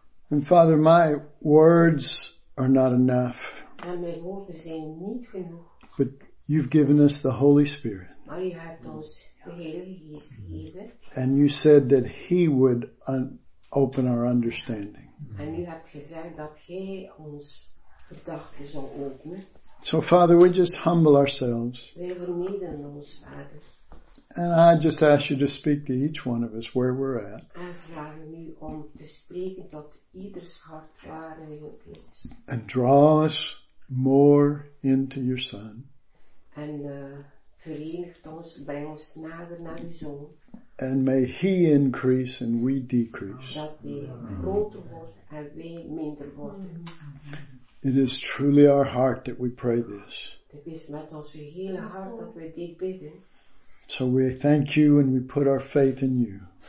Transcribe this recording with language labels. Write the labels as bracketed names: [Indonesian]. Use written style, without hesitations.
[English] And Father, my words are not enough. But you've given us the Holy Spirit. And you said that he would open our understanding. [Dutch] En u hebt gezegd dat Gij ons gedachten zal openen. [English] So Father, we just humble ourselves. [Dutch] We vernederen ons, Vader. [English] And I just ask you to speak to each one of us where we're at. [Dutch] En vraag u om te spreken tot ieders hart waar hij op is. [English] And draw us more into your Son. [Dutch] En verenigt ons, breng ons nader naar uw Zoon. [English] And may he increase and we decrease. [Dutch] Dat die groter wordt en wij minder worden. [English] It is truly our heart that we pray this. [Dutch] Het is met ons hele hart dat we dit bidden. [English] So we thank you and we put our faith in you.